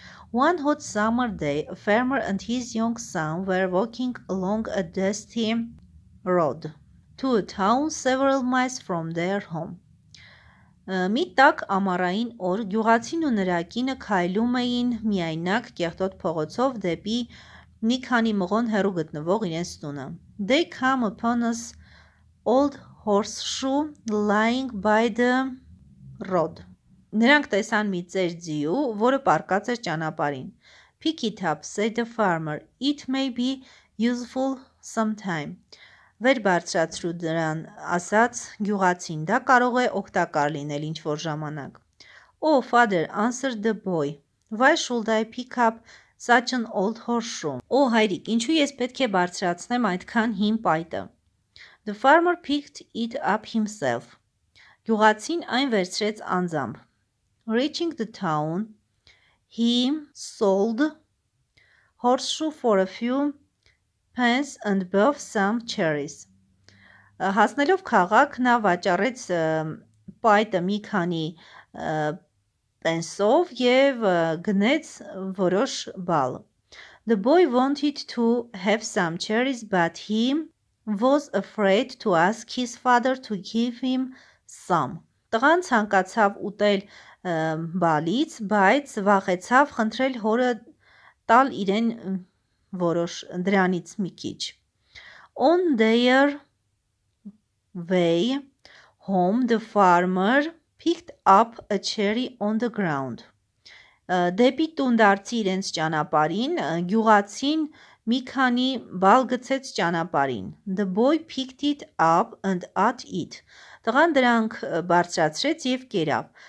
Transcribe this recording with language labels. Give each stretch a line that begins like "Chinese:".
English: One hot summer day, a farmer and his young son were walking along a dusty road to a town several miles from their home.
Armenian: Մի տաք ամառային օր գյուղացին ու նրա կինը քայլում էին միայնակ կեղտոտ փողոցով դեպի մի քանի մղոն հեռու գտնվող իրենց տունը.
English: They came upon an old horseshoe lying by the road.
Armenian: Նրանք տեսան մի ծեր ձիու, որը պառկած էր ճանապարհին.
English: Pick it up, said the farmer. It may be useful sometime.
Armenian: Վեր բարձրացրու դրան, ասաց գյուղացին, դա կարող է օգտակար լինել ինչ-որ ժամանակ.
English: Oh, father, answered the boy. Why should I pick up such an old horseshoe?
Armenian: Oh, հայրիկ, ինչու ես պետք է բարձրացնեմ այդքան հին պայտը?
English: The farmer picked it up himself.
Armenian: Գյուղացին այն վերցրեց անձամբ.
English: Reaching the town, he sold horseshoe for a few pence and bought some cherries.
Armenian: Հասնելով քաղաք, նա վաճառեց պայտը մի քանի պենսով եւ գնեց որոշ բալ.
English: The boy wanted to have some cherries, but he was afraid to ask his father to give him some.
Armenian: Տղան ցանկացավ ուտել բալից, բայց վախեցավ խնդրել հորը տալ իրեն որոշ դրանից մի քիչ.
English: On their way home, the farmer picked up a cherry on the ground.
Armenian: Դեպի տուն դարձի իրենց ճանապարհին, գյուղացին մի քանի բալ գցեց ճանապարհին.
English: The boy picked it up and ate it.
Armenian: Տղան դրանք բարձրացրեց եւ կերավ.